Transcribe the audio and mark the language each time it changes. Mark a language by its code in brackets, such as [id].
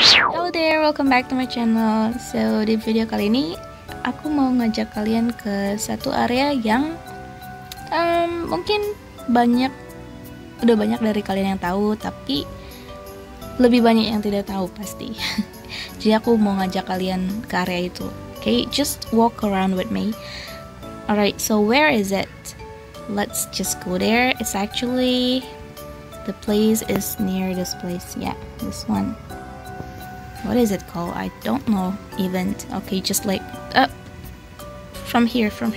[en] Hello there, welcome back to my channel. [id] So, di video kali ini aku mau ngajak kalian ke satu area yang mungkin banyak udah banyak dari kalian yang tahu, tapi lebih banyak yang tidak tahu pasti. Jadi aku mau ngajak kalian ke area itu. [en] Okay, just walk around with me. Alright, so where is it? Let's just go there. It's actually the place is near this place. Yeah, this one. What is it called? I don't know even. Okay, just like up from here.